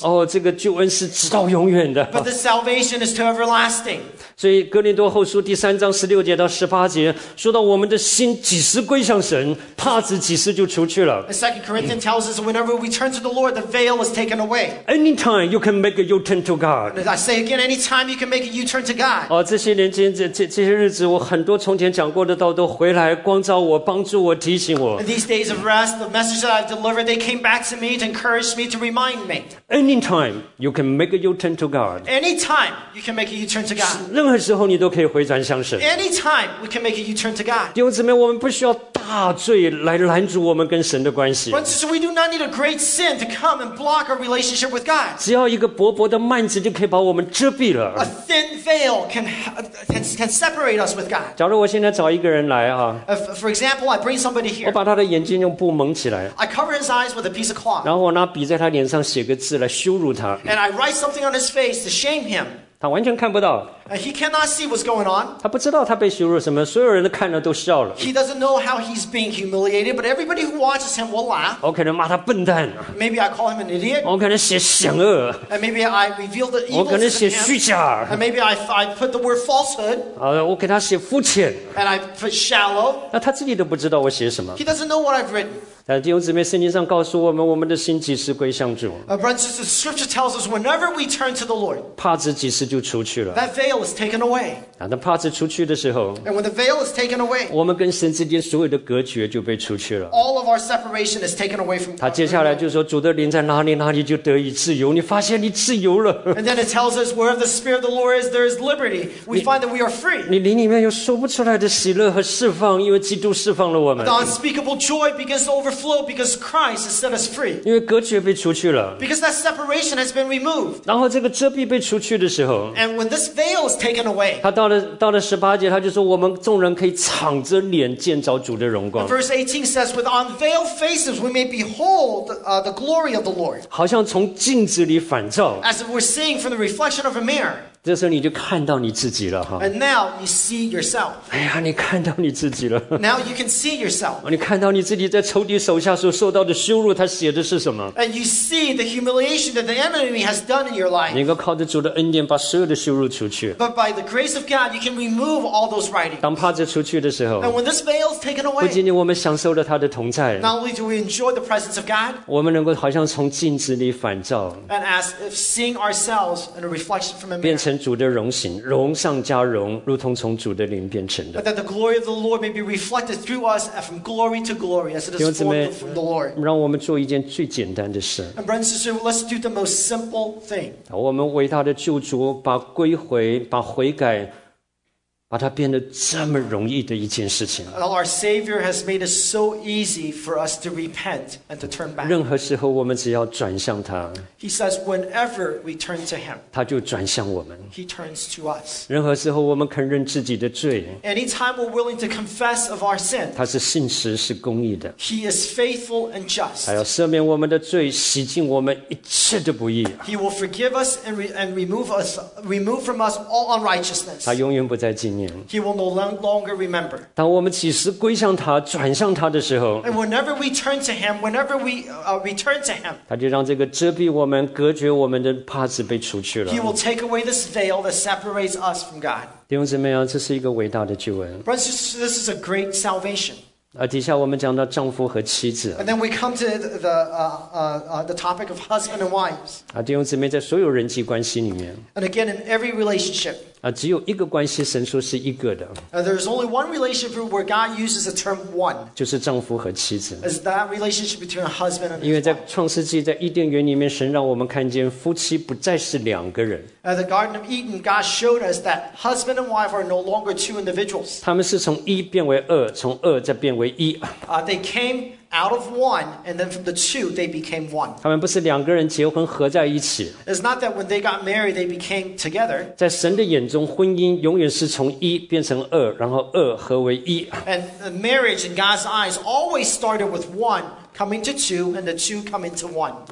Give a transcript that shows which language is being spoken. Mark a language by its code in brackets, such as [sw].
[zh] 哦，这个救恩是直到永远的。 [en] But the salvation is to everlasting. [zh] 所以哥林多后书第三章十六节到十八节说到我们的心几时归向神帕子几时就除去了 [en] 2 Corinthians tells us whenever we turn to the Lord the veil is taken away anytime you can make a U-turn to God I say again anytime you can make a U-turn to God [zh] 这些年间 这些日子我很多从前讲过的道都回来光照我帮助我提醒我 [en] In these days of rest the message that I've delivered they came back to me to encourage me to remind me anytime you can make a U-turn to God anytime you can make a U-turn to God [zh] 任何时候你都可以回转向神。 [en] Anytime we can make a U-turn to God. [zh] 弟兄姊妹，我们不需要大罪来拦阻我们跟神的关系。 [en] Brothers, we do not need a great sin to come and block our relationship with God. [zh] 只要一个薄薄的幔子就可以把我们遮蔽了。 [en] A thin veil can separate us with God. [zh] 假如我现在找一个人来啊。 [en] For example, I bring somebody here. [zh] 我把他的眼睛用布蒙起来。 [en] I cover his eyes with a piece of cloth. [zh] 然后我拿笔在他脸上写个字来羞辱他。 [en] And I write something on his face to shame him. [zh] 他完全看不到。 [en] He cannot see what's going on. [zh] 他不知道他被羞辱什么，所有人都看了都笑了。 [en] He doesn't know how he's being humiliated, but everybody who watches him will laugh. [zh] 我可能骂他笨蛋。 [en] Maybe I call him an idiot. [zh] 我可能写险恶。 [en] And maybe I reveal the evil. [zh] 我可能写虚假。 [en] And maybe I put the word falsehood. [zh] 我给他写肤浅。 [en] And I put shallow. [zh] 那他自己都不知道我写什么。 [en] He doesn't know what I've written. [zh] 弟兄姊妹，圣经上告诉我们，我们的心几时归向主？ [en] Brothers, the scripture tells us whenever we turn to the Lord, [zh] 帕子几时就除去了？ [en] That veil is taken away. [zh] 那帕子除去的时候， [en] And when the veil is taken away, [zh] 我们跟神之间所有的隔绝就被除去了。 [en] All of our separation is taken away from God. [zh] 他接下来就说，主的灵在哪里，哪里就得以自由。你发现你自由了。 [en] And then it tells us wherever the spirit of the Lord is, there is liberty. We find that we are free. [zh] 你灵里面有说不出来的喜乐和释放，因为基督释放了我们。 [en] The unspeakable joy begins to overflow. Because Christ has set us free. [zh] 因为隔绝被除去了。 [en] Because that separation has been removed. [zh] 然后这个遮蔽被除去的时候。 [en] And when this veil is taken away. [zh] 他到了十八节，他就说我们众人可以敞着脸见着主的荣光。 [en] Verse 18 says, with unveiled faces, we may behold the glory of the Lord. [zh] 好像从镜子里反照。 [en] As if we're seeing from the reflection of a mirror. [zh] 这时候你就看到你自己了。 [en] And now you see yourself. [zh] 哎呀，你看到你自己了。 [en] Now you can see yourself. [zh] 你看到你自己在仇敌手下所受到的羞辱，他写的是什么？ [en] And you see the humiliation that the enemy has done in your life. [zh] 你能够靠着主的恩典把所有的羞辱除去。 [en] But by the grace of God, you can remove all those writings. [zh] 当帕子除去的时候。 [en] And when this veil is taken away. [zh] 不仅仅我们享受了他的同在。 [en] Not only do we enjoy the presence of God. [zh] 我们能够好像从镜子里反照。 [en] And as if seeing ourselves in a reflection from a mirror. [zh] 主的荣形，荣上加荣，如同从主的灵变成的。 [en] That the glory of the Lord may be reflected through us from glory to glory, as it is formed from the Lord. [zh] 让我们做一件最简单的事。 [en] And brothers and sisters, let's do the most simple thing. [zh] 我们伟大的救主把归回，把悔改，把它变得这么容易的一件事情。 [en] Our Savior has made it so easy for us to repent and to turn back. [zh] 任何时候我们只要转向他。 [en] He says, whenever we turn to Him, [zh] 他就转向我们。 [en] He turns to us. [zh] 任何时候我们肯认自己的罪。 [en] Anytime we're willing to confess of our sin, [zh] 他是信实，是公义的。 [en] He is faithful and just. [zh] 他要赦免我们的罪，洗净我们一切的不义。 [en] He will forgive us and remove from us all unrighteousness. [zh] 他永远不再进。 [en] He will no longer remember. [zh] 当我们起誓归向他，转向他的时候， [en] And whenever we turn to him, whenever we return to him, [zh] 他就让这个遮蔽我们、隔绝我们的帕子被除去了。 [en] He will take away this veil that separates us from God. [zh] 弟兄姊妹啊，这是一个伟大的救恩。 [en] Brothers, this is a great salvation. [zh] 底下我们讲到丈夫和妻子。 [en] And then we come to the topic of husband and wives. [zh] 弟兄姊妹，在所有人际关系里面。 [en] And again, in every relationship. [zh] 只有一个关系神说是一个的。 [en] There's only one relationship where God uses the term one. [zh] 就是丈夫和妻子。 [en] Is that relationship between a husband and a wife? [zh] 因为在创世纪，在伊甸园里面，神让我们看见夫妻不再是两个人。 [en] At the Garden of Eden, God showed us that husband and wife are no longer two individuals. [zh] 他们是从一变为二，从二再变为一。 [en] They came out of one, and then from the two, they became one. [zh] 他们不是两个人结婚合在一起。 [en] It's not that when they got married, they became together. [zh] 在神的眼中，婚姻永远是从一变成二，然后二合为一。 [en] And marriage in God's eyes always started with one. Coming to two, and the two come into one.